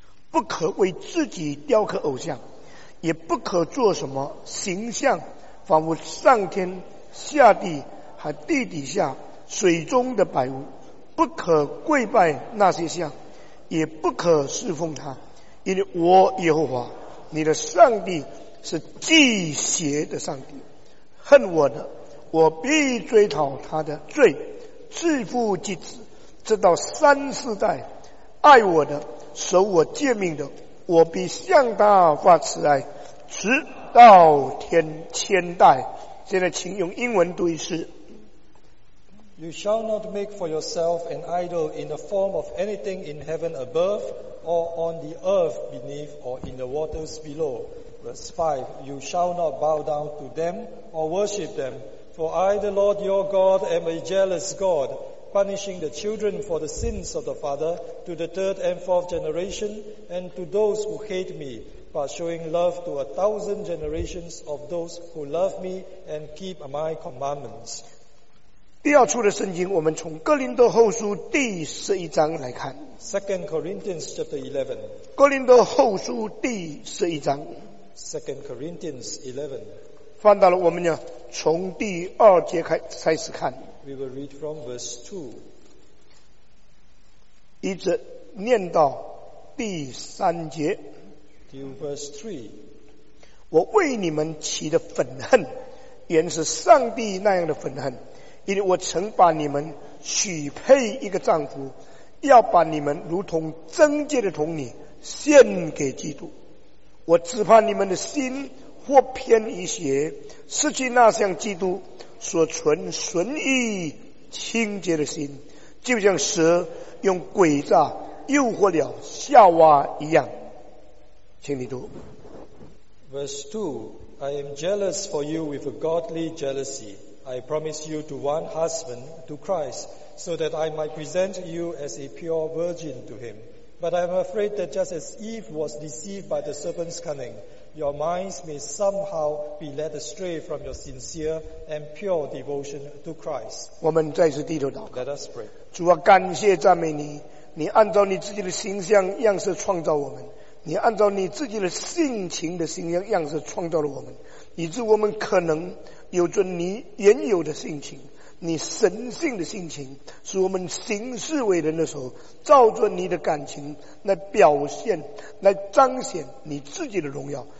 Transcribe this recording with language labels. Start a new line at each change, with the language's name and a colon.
Chinese: 不可为自己雕刻偶像，也不可做什么形象，仿佛上天、下地和地底下水中的百物，不可跪拜那些像，也不可侍奉他，因为我耶和华你的上帝是忌邪的上帝，恨我的，我必追讨他的罪，自负及子，直到三四代。爱我的，守我诫命的，我必向他发慈爱，直到天千代。现在请用英文读一次。
English: You shall not make for yourself an idol in the form of anything in heaven above, or on the earth beneath, or in the waters below. Verse 5, you shall not bow down to them or worship them. For I, the Lord your God, am a jealous God, punishing the children for the sins of the father to the third and fourth generation and to those who hate me, but showing love to 1,000 generations of those who love me and keep my commandments.
Chinese: 第二处的圣经，我们从哥林多后书第十一章来看。
English: Second Corinthians chapter 11.
Chinese: 哥林多后书第十一章。
English: Second Corinthians 11.
Chinese: 翻到了，我们要从第二节开始看。
English: We will read from verse 2.
Chinese: 一直念到第三节。
English: Till verse 3.
Chinese: 我为你们起的愤恨，原是上帝那样的愤恨。因为我曾把你们许配一个丈夫，要把你们如同贞洁的童女献给基督。我只怕你们的心或偏一些，失去那像基督所存纯义清洁的心，就像蛇用诡诈诱惑了夏娃一样。请你读。
English: Verse 2, I am jealous for you with a godly jealousy. I promise you to one husband, to Christ, so that I might present you as a pure virgin to him. But I am afraid that just as Eve was deceived by the serpent's cunning, your minds may somehow be led astray from your sincere and pure devotion to Christ.
Chinese: 我们再次低头祷告。
English: Let us pray.
Chinese: 主啊，感谢赞美你，你按照你自己的形象样式创造我们，你按照你自己的性情的形象样式创造了我们，以致我们可能有着你原有的性情，你神性的性情，使我们行事为人的时候，照着你的感情来表现，来彰显你自己的荣耀。